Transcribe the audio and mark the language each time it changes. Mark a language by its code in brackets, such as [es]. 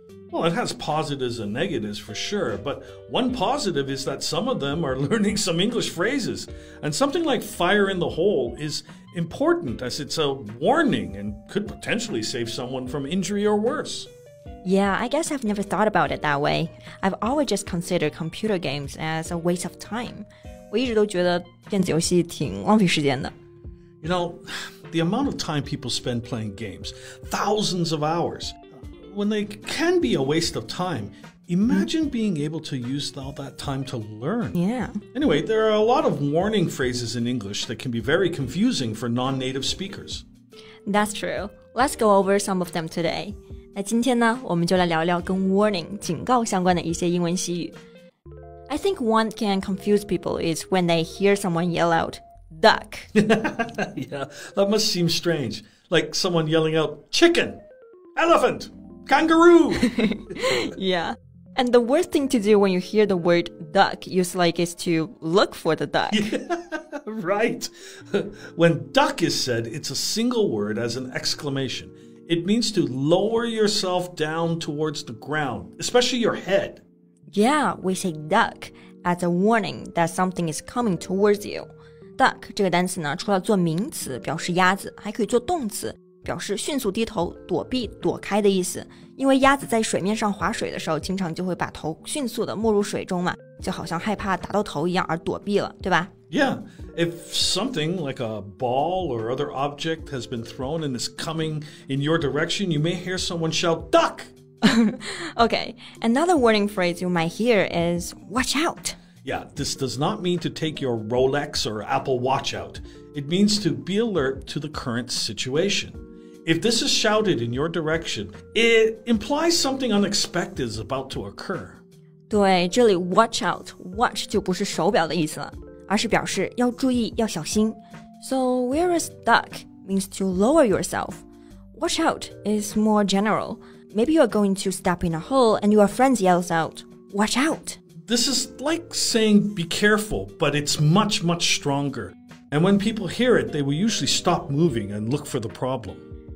[en] Well, it has positives and negatives for sure, but one positive is that some of them are learning some English phrases, and something like fire in the hole is important as it's a warning and could potentially save someone from injury or worse. Yeah, I guess I've never thought about it that way. I've always just considered computer games as a waste of time. [zh] 我一直都觉得电子游戏挺浪费时间的。 [en] You know, the amount of time people spend playing games, thousands of hours, when they can be a waste of time, imagine being able to use all that time to learn. Yeah. Anyway, there are a lot of warning phrases in English that can be very confusing for non-native speakers. That's true. Let's go over some of them today. [zh] 那今天呢，我们就来聊聊跟 warning 警告相关的一些英文习语。 [en] I think one can confuse people is when they hear someone yell out, duck. Yeah, that must seem strange. Like someone yelling out, chicken, elephant, kangaroo. Yeah, and the worst thing to do when you hear the word duck used like is to look for the duck. Yeah, right. When duck is said, it's a single word as an exclamation. It means to lower yourself down towards the ground, especially your head. Yeah, we say duck as a warning that something is coming towards you. [zh] Duck 这个单词呢，除了做名词表示鸭子，还可以做动词，表示迅速低头、躲避、躲开的意思。因为鸭子在水面上划水的时候，经常就会把头迅速地没入水中嘛，就好像害怕打到头一样而躲避了，对吧？ [en] Yeah, if something like a ball or other object has been thrown and is coming in your direction, you may hear someone shout, duck! Okay, another warning phrase you might hear is, watch out! Yeah, this does not mean to take your Rolex or Apple Watch out. It means to be alert to the current situation. If this is shouted in your direction, it implies something unexpected is about to occur. [zh] 对，这里 watch out, watch 就不是手表的意思了。而是表示要注意要小心 [en] So where is duck means to lower yourself Watch out is more general Maybe you are going to step in a hole and your friend yells out Watch out This is like saying be careful but it's much much stronger And when people hear it they will usually stop moving and look for the problem